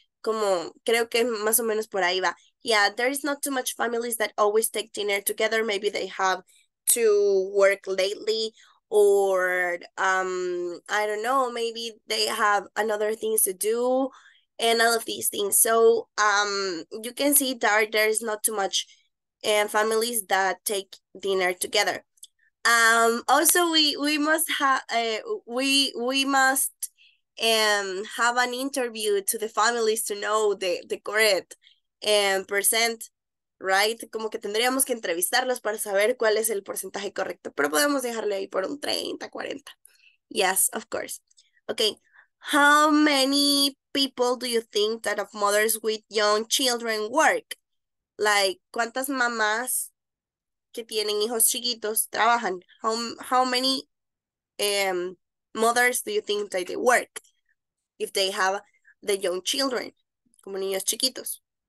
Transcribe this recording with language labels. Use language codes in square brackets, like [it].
[es] Como creo que más o menos por ahí va. [en] Yeah, there is not too much families that always take dinner together. Maybe they have to work lately. Or, I don't know, maybe they have another things to do and all of these things. So, you can see that there is not too much families that take dinner together. Also, we must have an interview to the families to know the correct percent. [es] Right, como que tendríamos que entrevistarlos para saber cuál es el porcentaje correcto, pero podemos dejarle ahí por un 30, 40. [en] Yes, of course. Okay, how many people do you think that of mothers with young children work? [es] Like, ¿cuántas mamás que tienen hijos chiquitos trabajan? [en] How many mothers do you think that they work if they have the young children, [es] como niños chiquitos?